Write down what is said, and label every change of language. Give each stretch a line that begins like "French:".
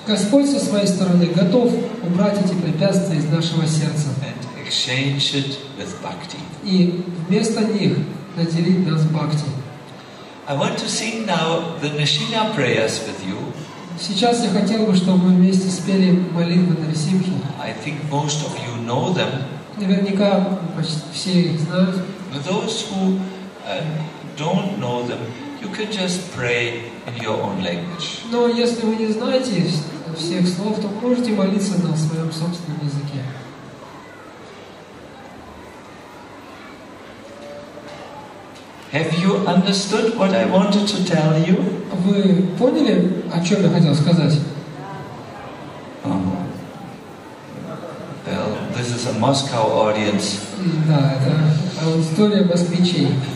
Russian: Господь со своей стороны готов убрать эти препятствия из нашего сердца.
English: And exchange it with bhakti.
Russian: И вместо них наделить нас бхакти.
English: I want to sing now the Nisinga prayers with you.
Russian: Сейчас я хотел бы, чтобы мы вместе спели молитву Нарасимхи.
English: I think most of you know them.
Russian: Наверняка почти все их знают.
English: For those who don't know them, you can just pray in your own language.
Russian: Но если вы не знаете всех слов, то можете молиться на своем собственном языке.
English: you understood what I wanted to tell you?
Russian: Вы поняли, о чём я хотел сказать?
English: Well, this is a Moscow audience.
Russian: Да, это аудитория москвичей.